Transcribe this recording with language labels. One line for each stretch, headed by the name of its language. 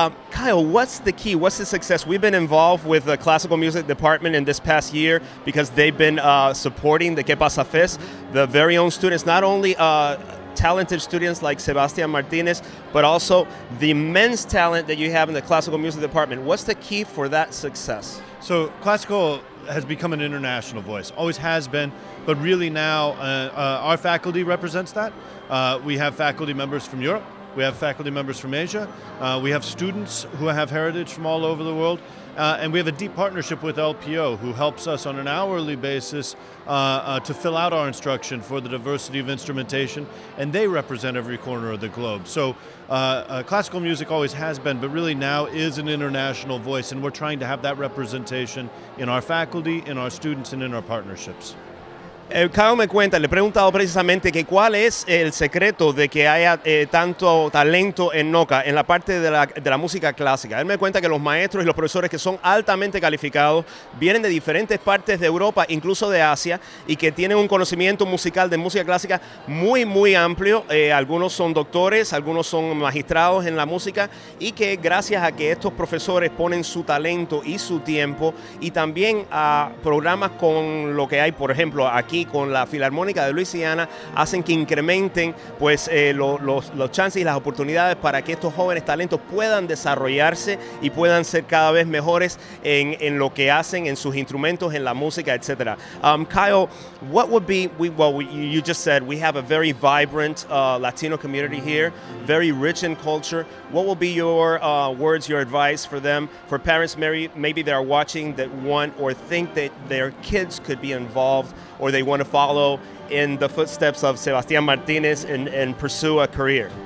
English: Kyle, what's the key? What's the success? We've been involved with the classical music department in this past year because they've been supporting the Que Pasa Fest, the very own students, not only talented students like Sebastian Martinez, but also the immense talent that you have in the classical music department. What's the key for that success? So classical has become an international voice, always has been, but really now our faculty represents that. We have faculty members from Europe, we have faculty members from Asia, we have students who have heritage from all over the world, and we have a deep partnership with LPO, who helps us on an hourly basis to fill out our instruction for the diversity of instrumentation, and they represent every corner of the globe. So classical music always has been, but really now is an international voice, and we're trying to have that representation in our faculty, in our students, and in our partnerships.
Spanish: Kyle me cuenta, le he preguntado precisamente que cuál es el secreto de que haya tanto talento en NOCCA, en la parte de la música clásica. Él me cuenta que los maestros y los profesores que son altamente calificados vienen de diferentes partes de Europa, incluso de Asia, y que tienen un conocimiento musical de música clásica muy, muy amplio. Algunos son doctores, algunos son magistrados en la música, y que gracias a que estos profesores ponen su talento y su tiempo, y también a programas con lo que hay, por ejemplo, aquí, aquí con la Filarmónica de Luisiana, hacen que incrementen pues los chances y las oportunidades para que estos jóvenes talentos puedan desarrollarse y puedan ser cada vez mejores en lo que hacen, en sus instrumentos, en la música, etc.
English: Kyle, what would be, you just said, we have a very vibrant Latino community here, very rich in culture. What will be your words, your advice for them, for parents maybe they are watching that want or think that their kids could be involved or they want to follow in the footsteps of Sebastian Martinez and pursue a career?